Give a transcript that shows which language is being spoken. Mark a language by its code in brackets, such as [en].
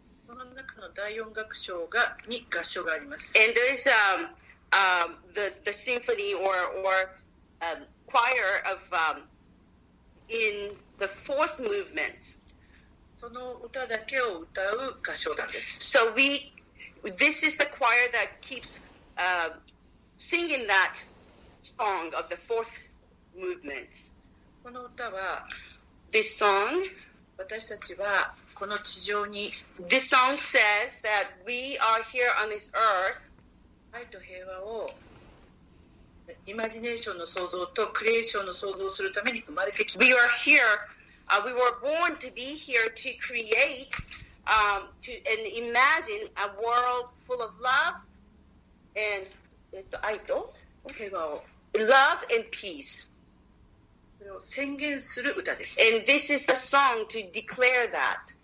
[en] And there's the symphony choir of in the fourth movement. [ja] その歌だけを歌う合唱団です。 [en] So we, this is the choir that keeps singing that song of the fourth movement. [ja] この歌は、 [en] this song, [ja] 私たちはこの地上に、 [en] this song says that we are here on this earth, [ja] 愛と平和を、イマジネーションの創造とクリエーションの創造をするために生まれてきました。 [en] We are here. We were born to be here to create to and imagine a world full of love and love and peace. And this is the song to declare that.